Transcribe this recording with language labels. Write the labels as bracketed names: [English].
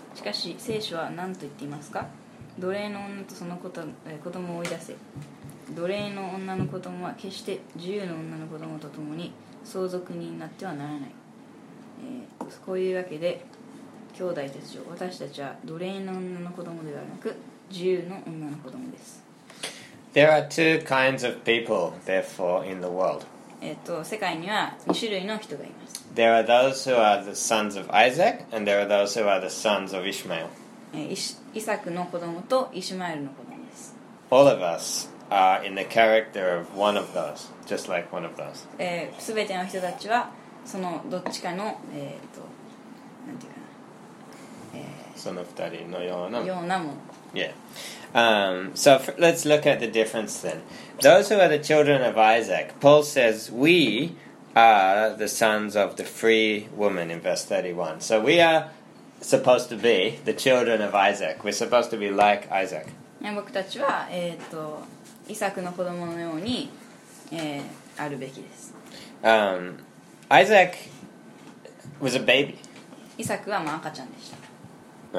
[Japanese] しかし、聖書は何と言っていますか？奴隷の女とその子供を追い出せ。奴隷の女の子供は決して自由の女の子供と共に相続人になってはならない。こういうわけで、兄弟たちよ、私たちは奴隷の女の子供ではなく、自由の女の子供です。 [English] There are two kinds of people, therefore, in the world. [Japanese] 世界には2種類の人がいます。 [English] There are those who are the sons of Isaac, and there are those who are the sons of Ishmael. [Japanese] イサクの子供とイシュマエルの子供です。 [English] All of us are in the character of one of those, just like one of those. [Japanese] すべての人たちはそのどっちかの、なんていうかな、その二人のような、ようなもの。 [English] Yeah. So let's look at the difference then. Those who are the children of Isaac, Paul says, we are the sons of the free woman in verse 31. So we are supposed to be the children of Isaac. We're supposed to be like Isaac. [Japanese] 僕たちは、イサクの子供のように、あるべきです。 [English] Isaac was a baby. [Japanese] イサクはまあ赤ちゃんでした。